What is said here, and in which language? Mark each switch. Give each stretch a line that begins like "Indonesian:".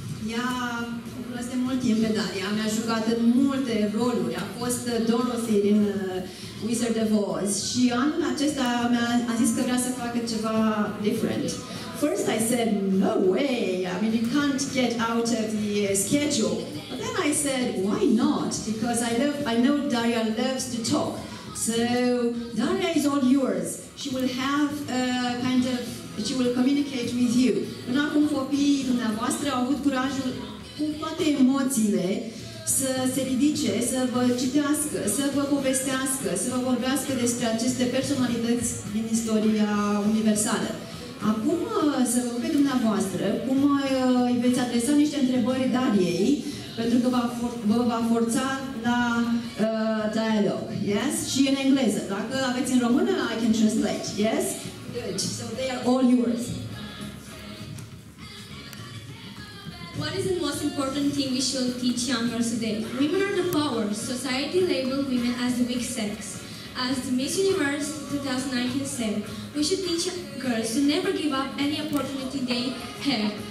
Romanian: Ea, o cunosc de mult timp pe Daria, mi-a jucat în multe roluri. A fost Dorothy din Wizard of Oz. Și anul acesta mi-a zis că vrea să facă ceva different.
English: First I said, no way, I mean, you can't get out of the schedule. But then I said, why not? Because I know Daria loves to talk. So Daria is all yours. She will have a kind of, she will communicate with you.
Romanian: Până acum copiii dumneavoastră au avut curajul cu toate emoțiile să se ridice, să vă citească, să vă povestească, să vă vorbească despre aceste personalități din istoria universală. Acum să vă pe dumneavoastră cum îi veți adresa niște întrebări Dariei, pentru că vă va forța la dialog, yes? Și în engleză. Dacă aveți în română,
English: I can translate, yes? Good, so they are all yours. What is the most important thing we should teach young girls today? Women are the power. Society labeled women as the weak sex. As the Miss Universe 2019 said, we should teach girls to never give up any opportunity they have.